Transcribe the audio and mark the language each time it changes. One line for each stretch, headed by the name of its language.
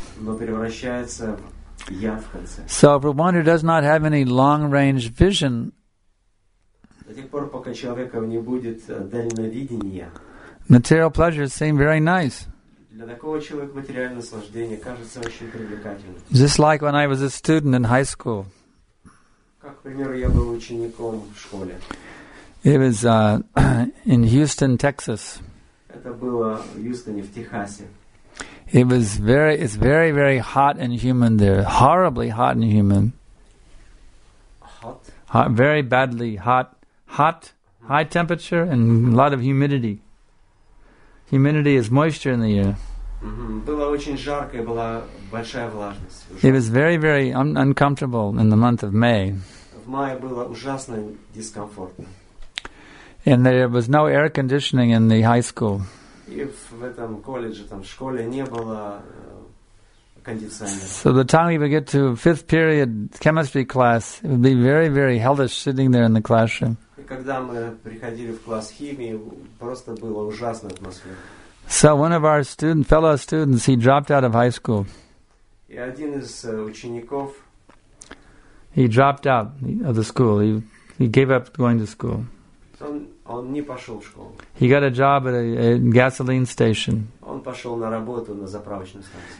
Russian: Но превращается в яд в конце.
English: So for one who does not have any long-range vision,
Russian: до тех пор, пока человека не будет дальновидения,
English: material pleasures seem very nice.
Russian: Для такого человека материальное наслаждение кажется очень привлекательным.
English: Just like when I was a student in high school.
Russian: Как, к примеру, я был учеником в школе.
English: It was in Houston, Texas.
Russian: Это было в Хьюстоне, в Техасе.
English: It's very, very hot and humid there. Horribly hot and humid. Hot? Hot, very badly hot. Hot, high temperature, and a lot of humidity. Humidity is moisture in the air. Mm-hmm.
Russian: Было очень жарко, и была большая влажность.
English: It was very, very uncomfortable in the month of May.
Russian: В мае было ужасно дискомфортно.
English: And there was no air conditioning in the high school.
Russian: И в этом колледже, там, в школе не было кондиционера.
English: So the time we would get to fifth period chemistry class, it would be very, very hellish sitting there in the classroom.
Russian: И когда мы приходили в класс химии, просто было ужасная атмосфера.
English: So one of our fellow students, he dropped out of high school.
Russian: И один из учеников.
English: He dropped out of the school. He gave up going to school.
Russian: Он не пошел в школу.
English: He got a job at a gasoline station.
Russian: Он пошел на работу на заправочную станцию.